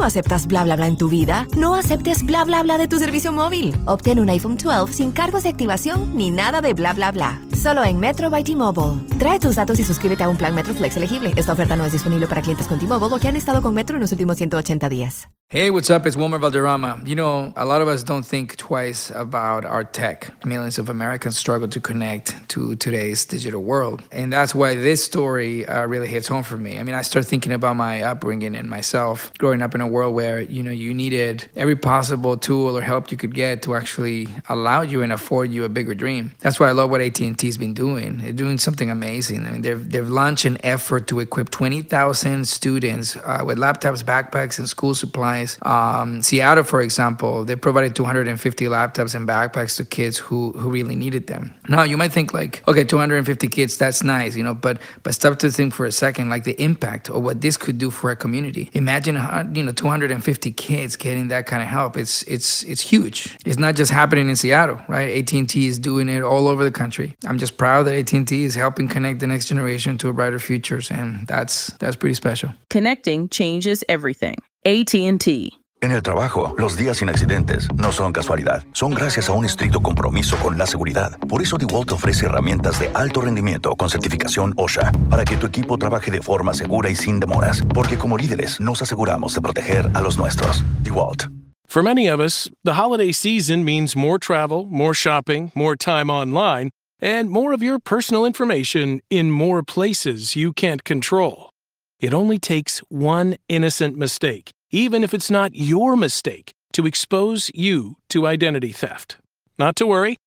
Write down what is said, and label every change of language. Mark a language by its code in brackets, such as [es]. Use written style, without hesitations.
[es] no aceptas bla bla bla en tu vida, no aceptes bla bla bla de tu servicio móvil. Obtén un iPhone 12 sin cargos de activación ni nada de bla bla bla. Solo en Metro by T-Mobile. Trae tus datos y suscríbete a un plan Metro Flex elegible. Esta oferta no es disponible para clientes con T-Mobile o que han estado con Metro en los últimos 180 días. [en] Hey, what's up? It's Wilmer Valderrama. You know, a lot of us don't think twice about our tech. Millions of Americans struggle to connect to today's digital world. And that's why this story really hits home for me. I mean, I start thinking about my upbringing and myself growing up in a world where, you know, you needed every possible tool or help you could get to actually allow you and afford you a bigger dream. That's why I love what AT&T's been doing. They're doing something amazing. I mean, they've launched an effort to equip 20,000 students with laptops, backpacks, and school supplies. Seattle, for example, they provided 250 laptops and backpacks to kids who really needed them. Now, you might think like, okay, 250 kids, that's nice, you know, but stop to think for a second, like the impact of what this could do for a community. Imagine, you know, 250 kids getting that kind of help. It's huge. It's not just happening in Seattle, right? AT&T is doing it all over the country. I'm just proud that AT&T is helping connect the next generation to a brighter future, and that's pretty special. Connecting changes everything. AT&T. [es] En el trabajo, los días sin accidentes no son casualidad. Son gracias a un estricto compromiso con la seguridad. Por eso DeWalt ofrece herramientas de alto rendimiento con certificación OSHA para que tu equipo trabaje de forma segura y sin demoras. Porque como líderes, nos aseguramos de proteger a los nuestros. DeWalt. [en] For many of us, the holiday season means more travel, more shopping, more time online, and more of your personal information in more places you can't control. It only takes one innocent mistake, even if it's not your mistake, to expose you to identity theft. Not to worry.